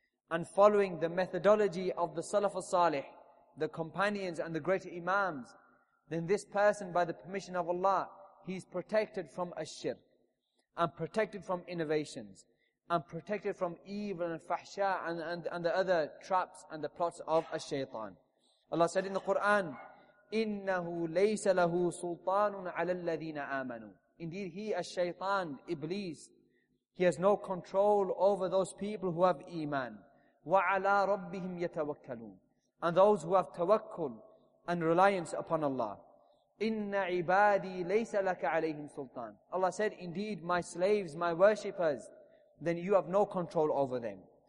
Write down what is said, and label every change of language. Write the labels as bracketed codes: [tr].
[en] and following the methodology of the Salaf al-Salih, the companions and the great imams, then this person, by the permission of Allah, he's protected from ash-shirk and protected from innovations and protected from evil and fahsha and the other traps and the plots of ash-shaytan. Allah said in the Quran, [ar] إِنَّهُ لَيْسَ لَهُ سُلْطَانٌ عَلَى الَّذِينَ آمَنُوا. [en] Indeed, he, ash-shaytan, Iblis, he has no control over those people who have iman. [ar] وَعَلَىٰ رَبِّهِمْ يَتَوَكَّلُونَ. [en] And those who have tawakkul and reliance upon Allah. [ar] Inna ibadi laysa laka alayhim sultan. [en] Allah said, indeed, my slaves, my worshippers, then you have no control over them.